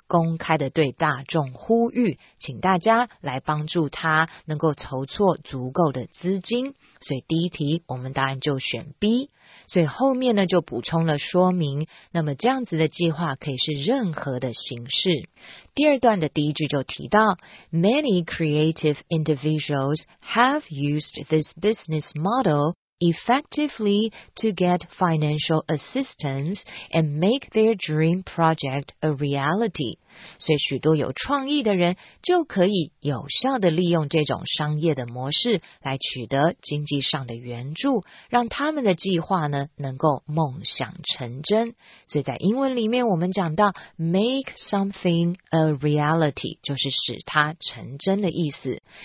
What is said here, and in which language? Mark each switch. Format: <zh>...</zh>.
<zh>公开的对大众呼吁，请大家来帮助他能够筹措足够的资金。所以第一题我们答案就选 B， 所以后面呢就补充了说明，那么这样子的计划可以是任何的形式。第二段的第一句就提到</zh> <en>Many creative individuals have used this business model effectively to get financial assistance and make their dream project a reality.</en> <zh>所以许多有创意的人就可以有效地利用这种商业的模式来取得经济上的援助，让他们的计划呢能够梦想成真。所以在英文里面我们讲到</zh> <en>make something a reality，</en> <zh>就是使它成真的意思。</zh>